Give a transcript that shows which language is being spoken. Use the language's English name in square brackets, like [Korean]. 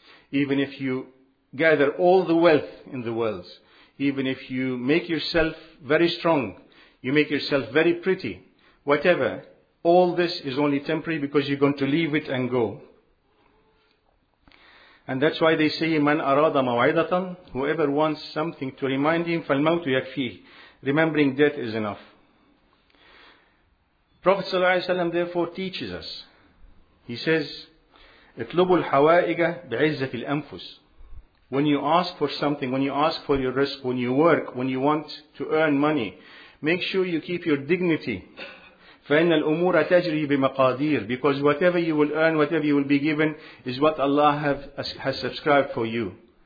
[English] Even if you gather all the wealth in the world, even if you make yourself very strong, you make yourself very pretty, whatever, all this is only temporary because you're going to leave it and go. And that's why they say, [Arabic] من أراد موعدة, [English] whoever wants something to remind him, [Arabic] فالموت يكفيه. [English] Remembering death is enough. Prophet صلى الله عليه وسلم therefore teaches us. He says, [Arabic] اطلبوا الحوائج بعزة الأنفس. [English] When you ask for something, when you ask for your risk, when you work, when you want to earn money, make sure you keep your dignity. [Arabic] فَإِنَّ الْأُمُورَ تَجْرِي بِمَقَادِيرٍ. [English] Because whatever you will earn, whatever you will be given, is what Allah has subscribed for you.